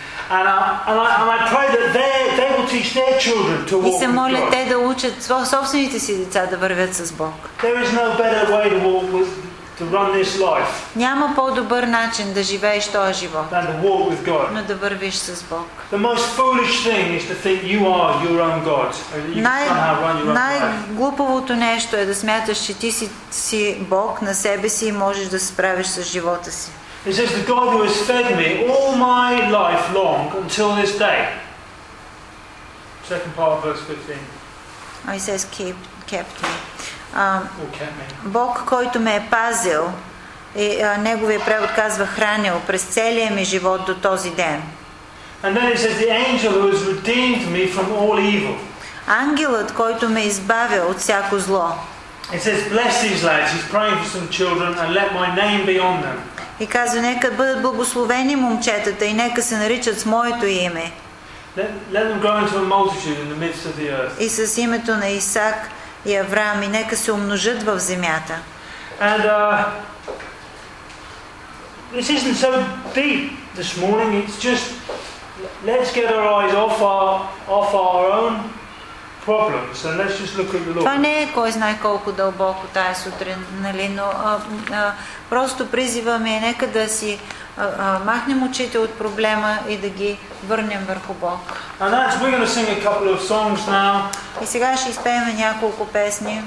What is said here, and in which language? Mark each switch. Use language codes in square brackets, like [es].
[en] And I pray that they will teach their children to walk. [bg] И се моля те да учат собствените си деца да вървят с Бог. [en] There is no better way to walk to run this life. [bg] Няма по-добър начин да живееш този живот. [en] Than to walk with God. [bg] Но да вървиш с Бог. [en] The most foolish thing is to think you are your own God. [bg] Най-глупавото нещо е да смяташ, че ти си Бог на себе си и можеш да се справиш с живота си. [en] It says the God who has fed me all my life long until this day. Second part of verse 15. He says kept me. Kept me. [bg] Бог, който ме е пазил, и неговия превод казва хранил през целия ми живот до този ден. [en] And then it says the angel who has redeemed me from all evil. [bg] Ангелът, който ме избавя от всяко зло. [en] It says bless these lads. He's praying for some children and let my name be on them. [bg] И казва, нека бъдат благословени момчетата и нека се наричат с моето име. [en] Let them grow into a multitude in the midst of the earth. [bg] И с името на Исак и Авраам и нека се умножат в земята. [en] And this isn't so deep this morning. It's just let's get our eyes off our own problems and let's just look at the Lord. [bg] Това не е кой знае колко дълбоко тая сутрин, нали, но просто призиваме е нека да си махнем очите от проблема и да ги върнем върху Бог. [en] And that's, we're going to sing a couple of songs now. [bg] И сега ще изпеем няколко песни.